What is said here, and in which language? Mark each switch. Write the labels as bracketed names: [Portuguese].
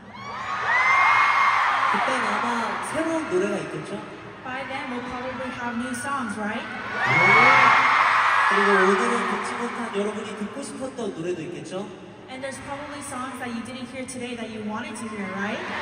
[Korean] 그때 아마 새로운 노래가 있겠죠? [English] By then, we'll probably have new songs, right? [Korean] 그리고 오늘은 듣지 못한 여러분이 듣고 싶었던 노래도 있겠죠? [English] And there's probably songs that you didn't hear today that you wanted to hear, right?